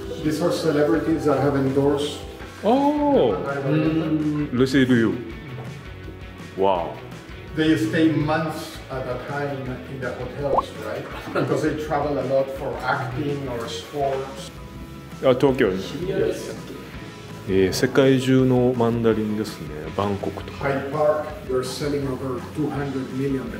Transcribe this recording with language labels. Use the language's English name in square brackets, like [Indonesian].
[English] These are celebrities that have endorsed. Oh. Lucy Liu. Wow. They stay months. At a time in the hotels, right? Because they travel a lot for acting or sports. [Japanese] あ、東京に。 [English] Yes. [Japanese] 世界中のマンダリンですね。バンコクとか。 [English] Hyde Park, they're selling over 200 million.